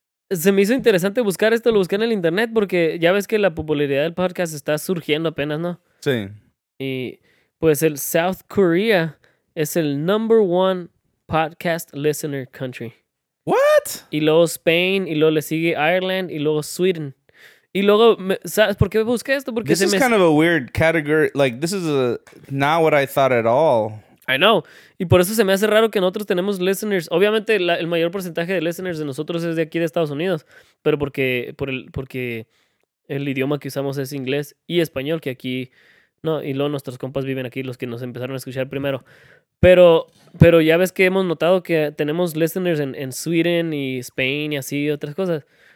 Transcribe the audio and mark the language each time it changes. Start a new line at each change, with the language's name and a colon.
Spanish: Se me hizo interesante buscar esto, lo busqué en el internet, porque ya ves que la popularidad del podcast está surgiendo apenas, ¿no? Sí. Y pues el South Korea es el
English: number one podcast listener country. What?
Spanish: Y luego Spain, y luego le sigue Ireland, y luego Sweden. Y luego, ¿sabes por qué busqué esto? Porque
English: this is kind of a weird category. Like, this is not what I thought at all. I know.
Spanish: Y por eso se me hace raro que nosotros tenemos listeners. Obviamente, el mayor porcentaje de listeners de nosotros es de aquí, de Estados Unidos. Pero porque el idioma que usamos es inglés y español, que aquí... No, y luego nuestros compas viven aquí, los que nos empezaron a escuchar primero. Pero ya ves que hemos notado que tenemos listeners en Sweden y Spain y así, y otras cosas.